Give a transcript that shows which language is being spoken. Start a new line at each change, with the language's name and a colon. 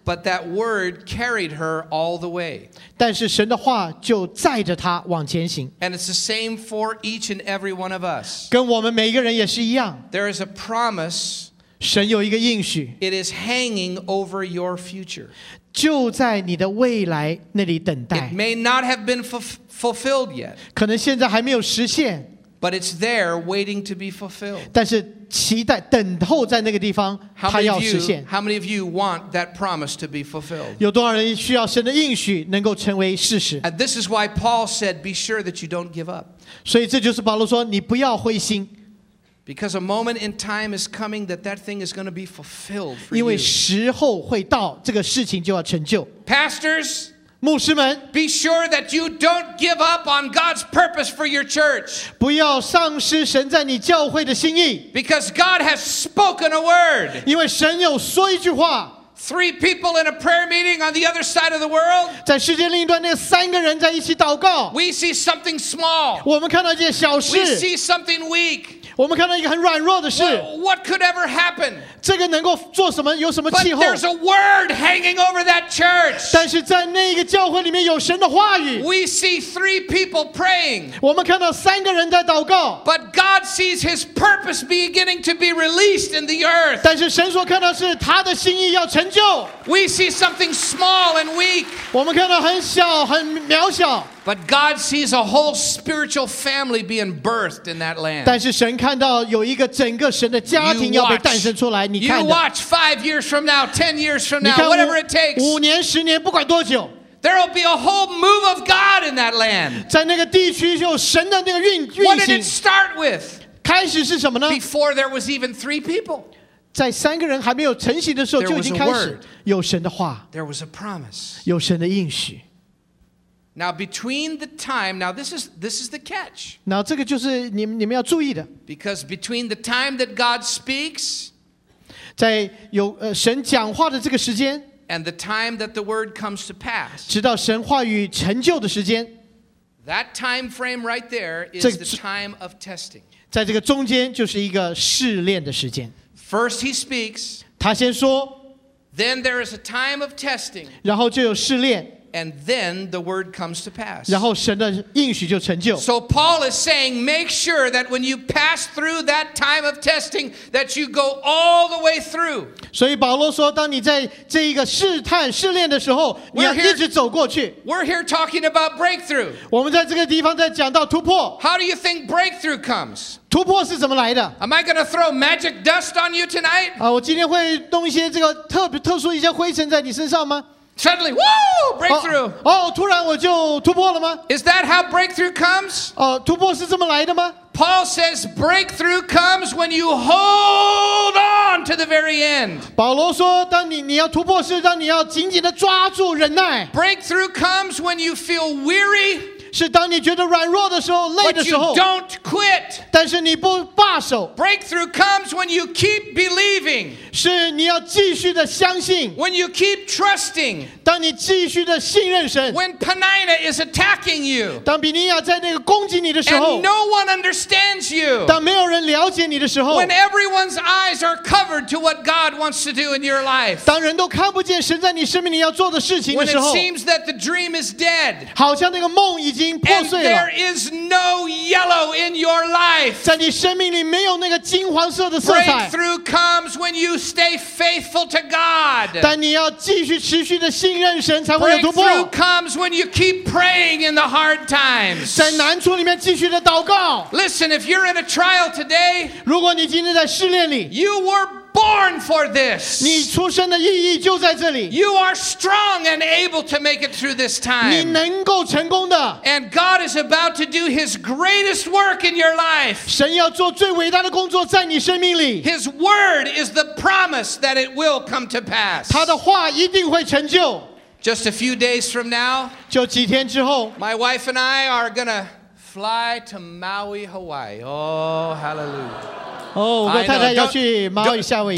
English: But that word carried her all the way.
Chinese: 但是神的话就载着她往前行。
English: And it's the same for each and every one of us.
Chinese: 跟我们每一个人也是一样。
English: There is a promise.
Chinese: 神有一个应许。
English: It is hanging over your future.
Chinese: 就在你的未来那里等待。
English: It may not have been fulfilled yet.
Chinese: 可能现在还没有实现。
English: But it's there waiting to be fulfilled.
Chinese: 但是期待, 等候在那个地方,
English: how many of you want that promise to be fulfilled?
Chinese: 有多少人需要神的应许能够成为事实?
English: And this is why Paul said, be sure that you don't give up.
Chinese: 所以这就是保罗说, 你不要灰心。
English: Because a moment in time is coming that that thing is going to be fulfilled for you.
Chinese: 因为时候会到, 这个事情就要成就。
English: Pastors,
Chinese: 牧师们,
English: be sure that you don't give up on God's purpose for your church.
Chinese: 不要丧失神在你教会的心意。
English: Because God has spoken a word.
Chinese: 因为神有说一句话。
English: Three people in a prayer meeting on the other side of the world.
Chinese: 在世界另一端那三个人在一起祷告。
English: We see something small.
Chinese: 我们看到一件小事。
English: We see something weak.
Chinese: 我们看到一个很软弱的事。
English: What could ever happen?
Chinese: 这个能够做什么, 有什么气候?
English: But there's a word hanging over that church.
Chinese: 但是在那个教会里面有神的话语。
English: We see three people praying.
Chinese: 我们看到三个人在祷告。
English: But God sees His purpose beginning to be released in the earth.
Chinese: 但是神所看到是他的心意要成就。
English: We see something small and weak.
Chinese: 我们看到很小, 很渺小。
English: But God sees a whole spiritual family being birthed in that land.
Chinese: 但是神看到有一个整个神的家庭要被诞生出来。
English: You watch 5 years from now, 10 years from now, whatever it takes.
Chinese: 五年、十年，不管多久。
English: There will be a whole move of God in that land.
Chinese: 在那个地区有神的那个运行。
English: What did it start with?
Chinese: 开始是什么呢？
English: Before there was even three people.
Chinese: 在三个人还没有成型的时候，就已经开始有神的话。
English: There was a promise.
Chinese: 有神的应许。
English: Now between the time, now this is the catch.
Chinese: 那这个就是你们要注意的。
English: Because between the time that God speaks,
Chinese: 在有神讲话的这个时间,
English: and the time that the word comes to pass,
Chinese: 直到神话语成就的时间,
English: that time frame right there is the time of testing.
Chinese: 在这个中间就是一个试炼的时间。
English: First he speaks,
Chinese: 他先说,
English: then there is a time of testing,
Chinese: 然后就有试炼。
English: And then the word comes to pass.
Chinese: 然后神的应许就成就。
English: So Paul is saying, make sure that when you pass through that time of testing, that you go all the way through.
Chinese: 所以保罗说，当你在这一个试探试炼的时候， 你要一直走过去。
English: We're here talking about breakthrough.
Chinese: 我们在这个地方在讲到突破。
English: How do you think breakthrough comes?
Chinese: 突破是怎么来的？
English: Am I going to throw magic dust on you tonight?
Chinese: 我今天会弄一些这个特殊一些灰尘在你身上吗？
English: Suddenly, woo! Breakthrough!
Chinese: Oh, 突然我就突破了吗?
English: Is that how breakthrough comes?
Chinese: 突破是这么来的吗?
English: Paul says breakthrough comes when you hold on to the very end.
Chinese: 保罗说，当你要突破，是让你要紧紧的抓住忍耐。
English: Breakthrough comes when you feel weary.
Chinese: 是当你觉得软弱的时候累的时候
English: But you don't quit.
Chinese: 但是你不罢手
English: Breakthrough comes when you keep believing.
Chinese: 是你要继续的相信
English: When you keep trusting.
Chinese: 当你继续的信任神
English: When Penina is attacking you.
Chinese: 当比尼亚在那个攻击你的时候
English: And no one understands you.
Chinese: 当没有人了解你的时候
English: When everyone's eyes are covered to what God wants to do in your life.
Chinese: 当人都看不见神在你生命里要做的事情的时候
English: When it seems that the dream is dead.
Chinese: 好像那个梦已经破碎了
English: And there is no yellow in your life.
Chinese: 在你生命里没有那个金黄色的色彩
English: Breakthrough comes when you stay faithful to God.
Chinese: 但你要继续持续的信任神才会有突破
English: Breakthrough comes when you keep praying in the hard times.
Chinese: 在难处里面继续的祷告
English: Listen, if you're in a trial today,
Chinese: 如果你今天在试炼里
English: you were born for this.
Chinese: 你出生的意义就在这里。
English: You are strong and able to make it through this time.
Chinese: 你能够成功的。
English: And God is about to do His greatest work in your life.
Chinese: 神要做最伟大的工作在你生命里。
English: His word is the promise that it will come to pass.
Chinese: 他的话一定会成就。
English: Just a few days from now,
Chinese: 就几天之后
English: my wife and I are gonna fly to Maui, Hawaii. Oh, hallelujah.
Chinese: Oh, 我太太要去马尔夏威夷。